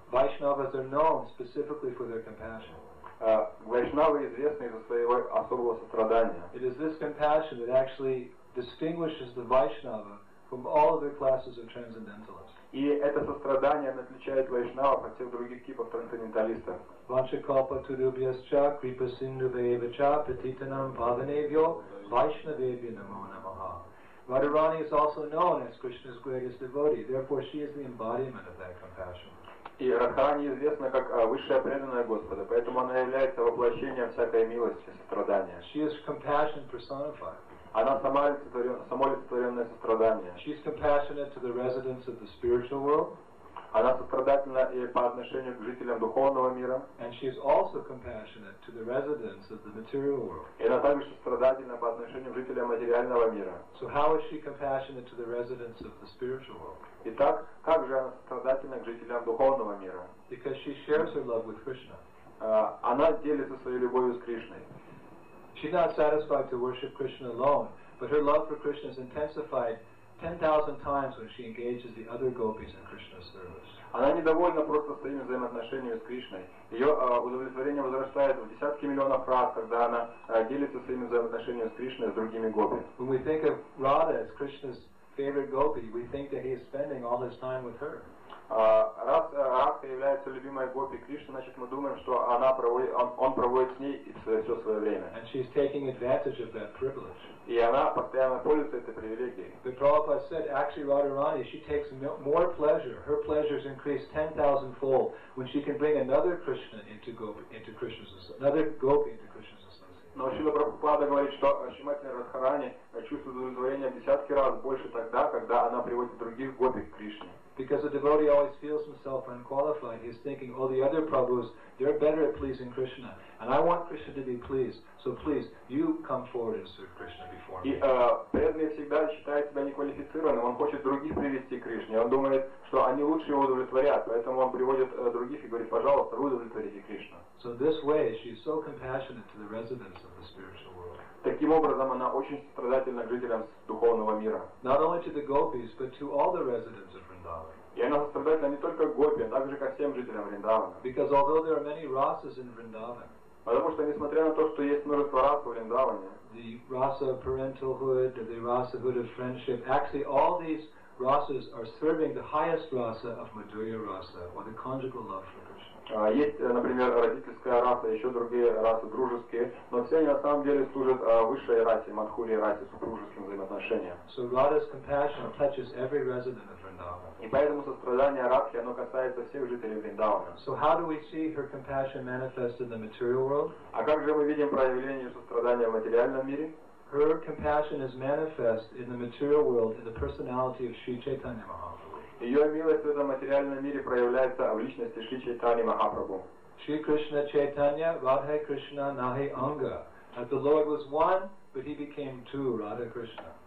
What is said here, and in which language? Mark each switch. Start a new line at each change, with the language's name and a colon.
English: Vaishnavas are known specifically for their compassion.
Russian: Вайшнавы известны из-за своего особого сострадания.
English: It is this compassion that actually distinguishes the Vaishnava from all other classes of transcendentalists.
Russian: И это сострадание отличает Вайшнава от всех других типов трансценденталистов.
Sanskrit: Vanchakalpa tudubhyascha kripa sindhubhyascha patitanam bhavanevyo vaishnavevyo namo namaha.
English: Radharani is also known as Krishna's greatest devotee, therefore she is the embodiment of that compassion.
Russian: И Радхарани известна как высшая преданная Господа, поэтому она является воплощением всякой милости, сострадания.
English: She is compassion personified.
Russian: Она само олицетворенное сострадание.
English: She is compassionate to the residents of the spiritual world.
Russian: Она сострадательна и по отношению к жителям духовного мира.
English: And she is also compassionate to the residents of the material world.
Russian: И она также сострадательна по отношению к жителям материального мира.
English: So how is she compassionate to the residents of the spiritual world?
Russian: Итак, как же она сострадательна к жителям духовного мира?
English: Because she shares her love with Krishna.
Russian: Она делится своей любовью с Кришной.
English: She's not satisfied to worship Krishna alone, but her love for Krishna is intensified 10,000 times when she engages the other gopis in Krishna's service.
Russian: Она недовольна просто своими взаимоотношениями с Кришной. Ее удовлетворение возрастает в десятки миллионов раз, когда она делится своими взаимоотношениями с Кришной с другими гопи.
English: When we think of Radha as Krishna's favorite gopi, we think that he is spending all his time with her.
Russian: Раз Радха является любимой гопи Кришны, значит мы думаем, что она проводит, он проводит с ней все свое время.
English: And she's taking advantage of that privilege.
Russian: И она постоянно пользуется этой привилегией.
English: But Prabhupada said, actually Radharani, she takes more pleasure. Her pleasures increase 10,000-fold when she can bring another Krishna into Krishna's another gopi into Krishna's association.
Russian: Но Шрила Прабхупада говорит, что Шримати Радхарани чувствует удовлетворение в десятки раз больше тогда, когда она приводит других гопи к Кришне.
English: Because a devotee always feels himself unqualified, he's thinking, oh, the other Prabhus, they're better at pleasing Krishna. And I want Krishna to be pleased, so please, you come forward and serve Krishna before me.
Russian: И преданный всегда считает себя неквалифицированным, он хочет других привести к Кришне. Он думает, что они лучше его удовлетворят, поэтому он приводит других и говорит, пожалуйста, вы удовлетворите Кришну.
English: So this way, she's so compassionate to the residents of the spiritual world.
Russian: Таким образом, она очень сострадательна к жителям духовного мира.
English: Not only to the gopis, but to all the residents of Vrindavan.
Russian: И она сострадательна не только к гопи, а также ко всем жителям Вриндавана.
English: Because although there are many rasas in Vrindavan,
Russian: потому что, несмотря на то, что есть множество рас в Вриндаване,
English: the rasa of parentalhood, the rasa hood of friendship, actually all these rasas are serving the highest rasa of Madhurya rasa, or the conjugal love for Krishna.
Russian: Есть, например, родительская раса, еще другие расы дружеские, но все они на самом деле служат высшей расе, Мадхури расе, супружеским взаимоотношениям.
English: So Radha's compassion touches every resident of Vrindavan.
Russian: И поэтому сострадание Радхи, оно касается всех жителей Вриндавана.
English: So how do we see her compassion manifest in the material world?
Russian: А как же мы видим проявление сострадания в материальном мире?
English: Her compassion is manifest in the material world in the personality of Sri Chaitanya Mahaprabhu.
Russian: Ее милость в этом материальном мире проявляется в личности Шри Чайтани Махапрабху.
Sanskrit: Шри Кришна Чайтанья, Радхе Кришна Нахи Анга.
English: That the Lord was one, but he became two, Radha Krishna.